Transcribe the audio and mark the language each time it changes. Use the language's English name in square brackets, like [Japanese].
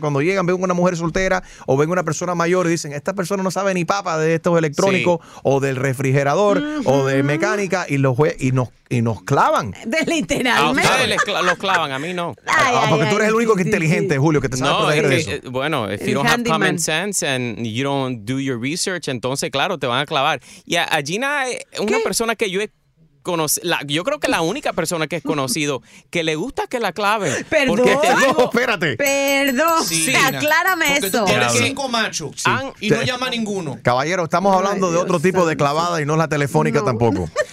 [Spanish] Cuando llegan, ven una mujer soltera o ven una persona mayor y dicen, esta persona no sabe ni papa de estos electrónicos, sí, o del refrigerador, uh-huh, o de mecánica, y nos clavan. De literalmente. A ustedes los clavan, a mí no. Tú eres el único que es inteligente, sí, Julio, que te sabe proteger de eso. Bueno, [English] if you don't have common sense and you don't do your research, [Spanish] entonces, claro, te van a clavar. Y a Gina es una persona que yo he yo creo que la única persona que he conocido que le gusta que la clave. Perdón. Espérate. Perdón. Sí, aclárame eso. Tú tienes 5 machos, sí, y no llama a ninguno. Caballero, estamos hablando de otro tipo de clavada y no la telefónica tampoco.